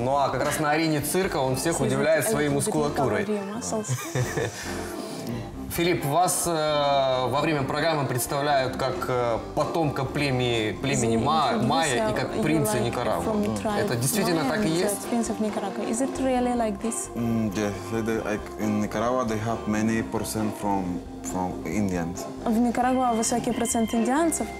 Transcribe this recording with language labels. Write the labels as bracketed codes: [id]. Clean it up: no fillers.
[ru] Ну, а как раз на арене цирка он всех удивляет своей мускулатурой. Филипп, вас во время программы представляют как потомка племени майя и как принца Никарагуа. Это действительно так и есть? Принцев Никарагуа. [en] Is it really like this? Yeah, like in Nicaragua they have many percent from Indians. [ru] В Никарагуа высокий процент индианцев.